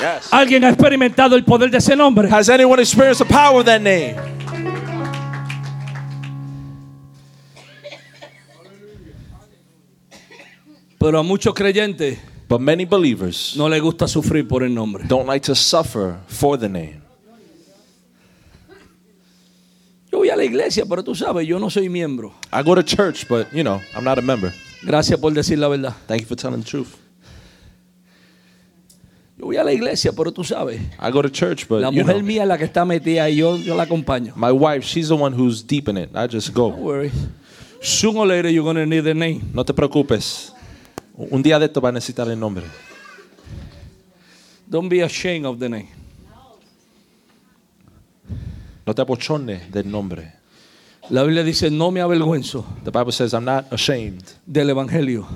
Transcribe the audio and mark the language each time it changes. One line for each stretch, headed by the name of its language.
Spanish: ¿Alguien ha experimentado el poder de ese nombre?
English: Has anyone experienced the power of that name?
Spanish: Pero a muchos creyentes,
English: but many believers,
Spanish: no le gusta sufrir por el nombre.
English: Don't like to suffer for the name.
Spanish: Yo voy a la iglesia, pero tú sabes, yo no soy miembro.
English: I go to church, but you know, I'm not a member.
Spanish: Gracias por decir la verdad.
English: Thank you for telling the truth.
Spanish: Yo voy a la iglesia, pero tú sabes.
English: I go to church, but
Spanish: la mujer
English: you know,
Spanish: mía es la que está metida y yo la acompaño.
English: My wife, she's the one who's deep in it. I just go. Don't worry. Soon or later, you're gonna need the name.
Spanish: No te preocupes. Un día de esto va a necesitar el nombre.
English: Don't be ashamed of the name.
Spanish: No te apochones del nombre. La Biblia dice, no me avergüenzo.
English: The Bible says, I'm not ashamed.
Spanish: Del evangelio.